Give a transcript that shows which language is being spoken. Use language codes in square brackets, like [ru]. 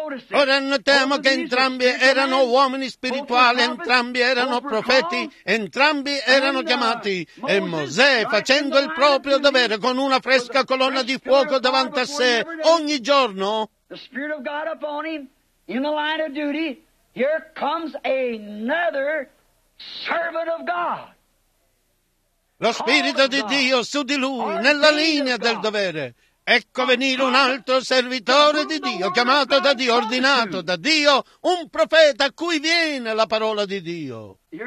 [it] Ora notiamo che entrambi erano uomini spirituali, entrambi erano profeti, entrambi erano chiamati. E Mosè, facendo il proprio dovere con una fresca colonna di fuoco davanti a sé ogni giorno, [en] the Spirit of God upon him in the line of duty, here comes another servant of God. [it] Lo Spirito di Dio su di lui, nella linea del dovere. Ecco venire un altro servitore di Dio, chiamato da Dio, ordinato da Dio, un profeta a cui viene la parola di Dio.